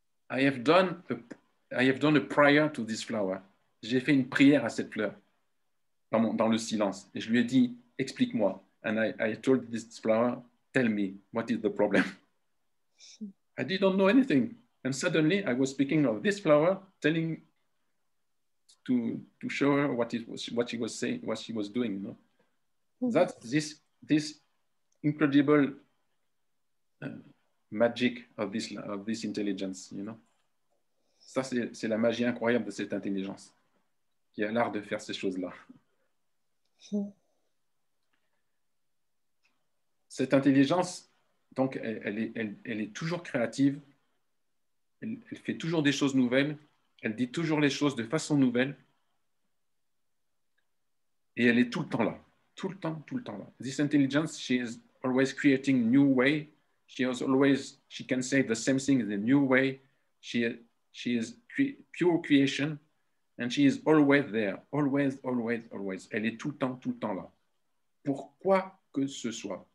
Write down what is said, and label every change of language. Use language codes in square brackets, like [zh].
[en] I have done a prayer to this flower. [fr] J'ai fait une prière à cette fleur dans le silence. Et je lui ai dit, explique-moi. [en] And I told this flower, tell me, what is the problem? I didn't know anything. And suddenly I was speaking of this flower, telling to show her what she was doing. You know? Mm-hmm. That's this incredible magic of this intelligence, you know? [fr] Ça, c'est la magie incroyable de cette intelligence qui a l'art de faire ces choses-là. Mm-hmm. Cette intelligence, donc, elle est toujours créative. Elle fait toujours des choses nouvelles. Elle dit toujours les choses de façon nouvelle. Et elle est tout le temps là. Tout le temps là. [en] This intelligence, she is always creating new way. She can say the same thing in a new way. She is pure creation. And she is always there. Always, always, always. [fr] Elle est tout le temps là. Pourquoi que ce soit?